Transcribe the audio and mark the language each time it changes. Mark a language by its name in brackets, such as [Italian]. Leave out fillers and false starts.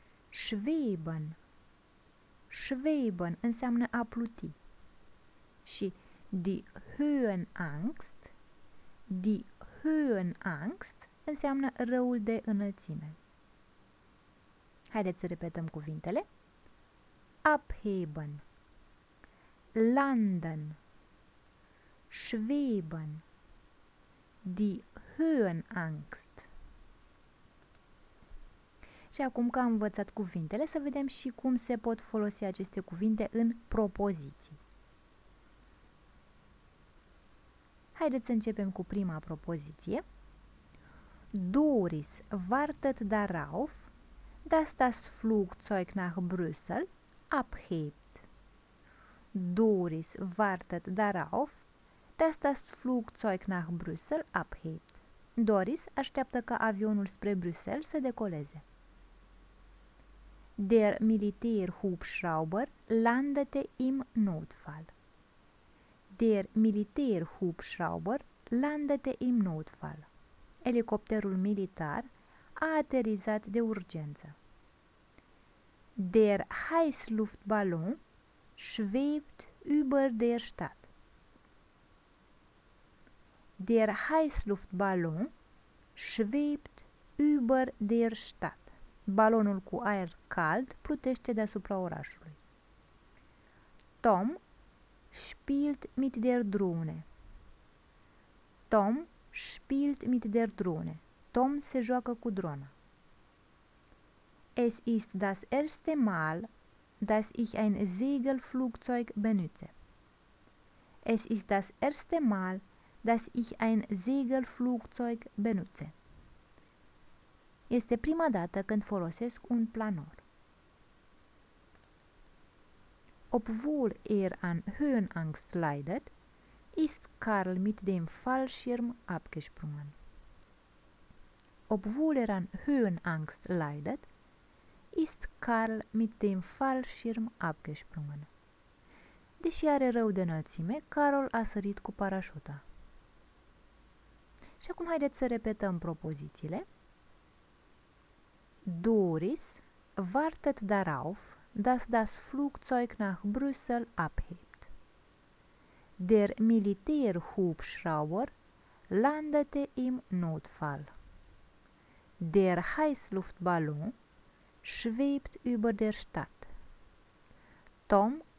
[Romanian] Schweben. Schweben înseamnă a pluti. Și die Höhenangst. Die Höhenangst înseamnă răul de înălțime. Haideți să repetăm cuvintele. [German] Abheben. Landen, schweben, die Höhenangst. [Romanian] Și acum că am învățat cuvintele, să vedem și cum se pot folosi aceste cuvinte în propoziții. Haideți să începem cu prima propoziție. [German] Doris wartet darauf, dass das Flugzeug nach Brüssel abhebt. Doris wartet darauf, dass das Flugzeug nach Brüssel abhebt. [Romanian] Doris așteaptă ca avionul spre Brüssel să decoleze. [German] Der Militärhubschrauber landete im Notfall. Der Militärhubschrauber landete im Notfall. [Romanian] Elicopterul militar a aterizat de urgență. [German] Der Heißluftballon schwebt über der Stadt. Der Heißluftballon schwebt über der Stadt. [Romanian] Balonul cu aer cald plutește deasupra orașului. [German] Tom spielt mit der Drohne. Tom spielt mit der Drohne. [Romanian] Tom se joacă cu drona. [German] Es ist das erste Mal, dass ich ein Segelflugzeug benutze. Es ist das erste Mal, dass ich ein Segelflugzeug benutze. [Romanian] Este prima dată când folosesc un planor. [German] Obwohl an Höhenangst leidet, ist Karl mit dem Fallschirm abgesprungen. Obwohl an Höhenangst leidet, ist Karl mit dem Fallschirm abgesprungen. [Romanian] Deși are rău de înălțime, Carol a sărit cu parașuta. Și acum haideți să repetăm propozițiile. [German] Doris wartet darauf, dass das Flugzeug nach Brüssel abhebt. Der Militärhubschrauber landete im Notfall. Der Heißluftballon schwebt über der Stadt. Tom